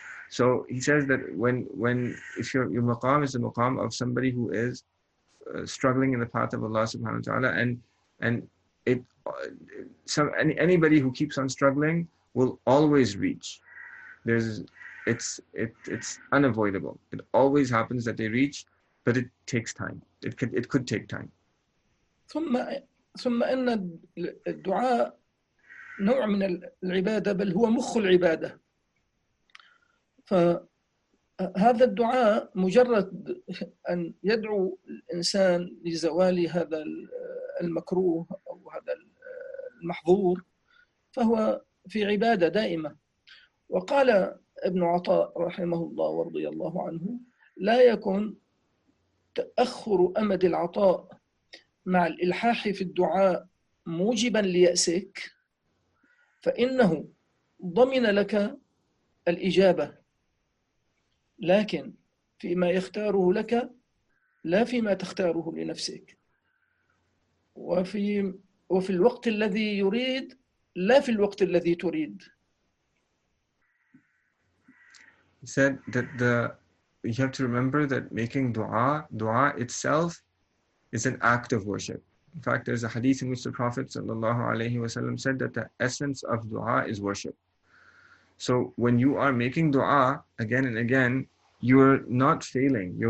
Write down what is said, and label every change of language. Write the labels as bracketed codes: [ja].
[en] So he says that when if your maqam is the maqam of somebody who is struggling in the path of Allah subhanahu wa ta'ala, anybody who keeps on struggling will always reach. It's unavoidable. It always happens that they reach, but it takes time. It could take time. [ar] ثم ان الدعاء نوع من العباده بل هو مخ العباده. فهذا الدعاء مجرد أن يدعو الإنسان لزوال هذا المكروه أو هذا المحظور فهو في عبادة دائمة. وقال ابن عطاء رحمه الله ورضي الله عنه لا يكون تأخر أمد العطاء مع الإلحاح في الدعاء موجبا ليأسك فإنه ضمن لك الإجابة لكن فيما يختاره لك لا فيما تختاره لنفسك وفي الوقت الذي يريد لا في الوقت الذي تريد. [en] He said that you have to remember that making dua itself is an act of worship. In fact, there's a hadith in which the Prophet sallallahu alaihi wasallam said that the essence of dua is worship. So when you are making dua again and again, you're not failing.